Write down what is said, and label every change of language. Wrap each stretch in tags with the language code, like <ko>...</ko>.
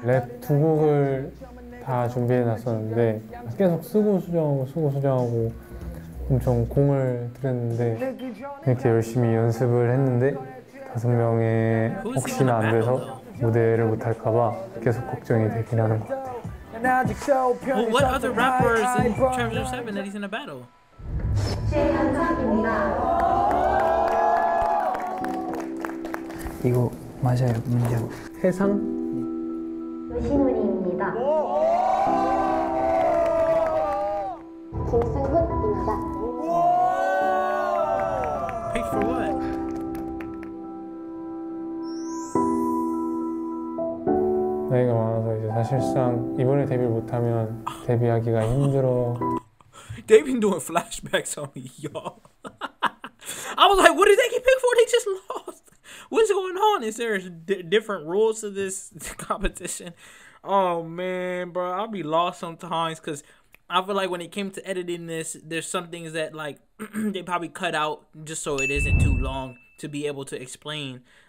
<ko>랩 두 곡을 다 준비해놨었는데 계속 쓰고 수정하고 엄청 공을 들였는데 이렇게 열심히 연습을 했는데 다섯 명의 혹시나 안 돼서 무대를 못할까 봐 계속 걱정이 되긴 하는 것 같아요.</ko> <en>Well, what other rappers in Challenger 7 that he's in a battle?</en> <ko>이거 맞아요, 문제고. 해상? 요시노리입니다. 김승훈입니다.</ko> <en>Pick for what?</en> <ko>나이가 많아서 이제 사실상 이번에 데뷔를 못하면 데뷔하기가 힘들어.</ko> <en>They've been doing flashbacks on me, y'all. I was like, what did they get picked for? They just lost. What's going on? Is there different rules to this competition? Oh man, bro, I'll be lost sometimes because I feel like when it came to editing this, there's some things that like they probably cut out just so it isn't too long to be able to explain.</en>